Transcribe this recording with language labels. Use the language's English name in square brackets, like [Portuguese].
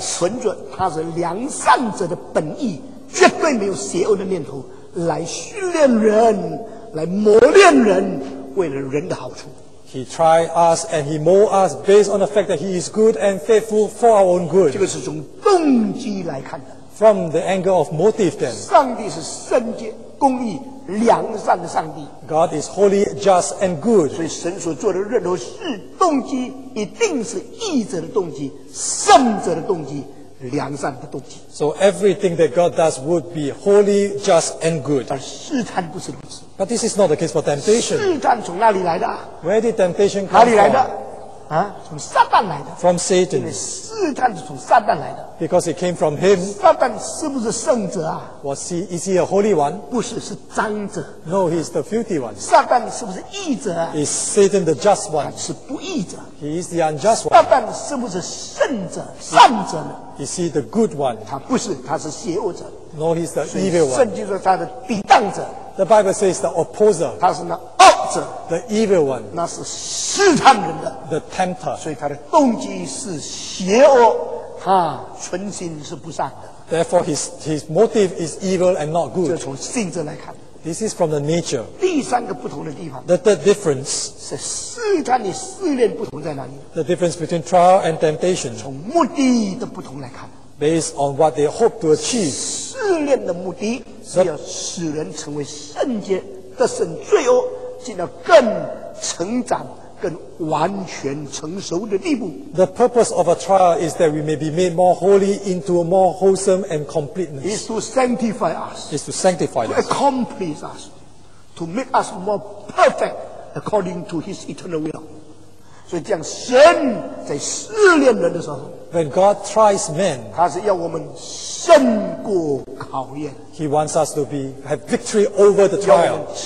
[Chinese] 存准他是良善者的本意，绝对没有邪恶的念头，来试炼人，来磨练人，为了人的好处。 [English] He try us and he mold us based on the fact that he is good and faithful for our own good. [Chinese] 这个是从动机来看的。 [English] From the angle of motive, then. [Chinese] 上帝是圣洁、公义、良善的上帝。 [English] God is holy, just, and good. [Chinese] 所以神所做的任何事，动机一定是义者的动机、圣者的动机、良善的动机。 [English] So everything that God does would be holy, just, and good. [Chinese] 而试探不是如此。 [English] But this is not the case for temptation. [Chinese] 试探从哪里来的？ [English] Where did temptation come from? [Chinese] 哪里来的？从撒旦来的。 [English] From Satan. [Chinese] 因为试探是从撒旦来的。 [English] Because it came from him. [Chinese] 撒旦是不是圣者啊？ [English] Was he, is he a holy one? [Chinese] 不是，是脏者。 [English] No, he is the filthy one. [Chinese] 撒旦是不是义者啊？ [English] Is Satan the just one? [Chinese] 是不义者。 [English] He is the unjust one. [Chinese] 撒旦是不是圣者、善者呢？ [English] Is he the good one? [Chinese] 他不是，他是邪恶者。 [English] No, he is the evil one. [Chinese] 圣经说他是抵挡者。 [English] The Bible says the opposer. [Chinese] 他是那。 [English] The evil one, [Chinese] 那是试探人的 [English] the tempter, [Chinese] 所以他的动机是邪恶，他存心是不善的。 [English] Therefore, his motive is evil and not good. [Chinese] 这从性质来看 [English] ，this is from the nature. [Chinese] 第三个不同的地方 [English] ，the third difference [Chinese] 是试探与试炼不同在哪里 [English] ？The difference between trial and temptation. [Chinese] 从目的的不同来看 [English] ，based on what they hope to achieve. [Chinese] 试炼的目的是要使人成为圣洁，得胜罪恶。进到更成长、更完全成熟的地步。 [English] The purpose of a trial is that we may be made more holy into a more wholesome and completeness. Is to sanctify us. Is to sanctify us. To accomplish us. To make us more perfect according to His eternal will. [Chinese] 所以，这样神在试炼人的时候 [English] ，When God tries men， [Chinese] 他是要我们胜过考验。 [English] He wants us to be have victory over the trial，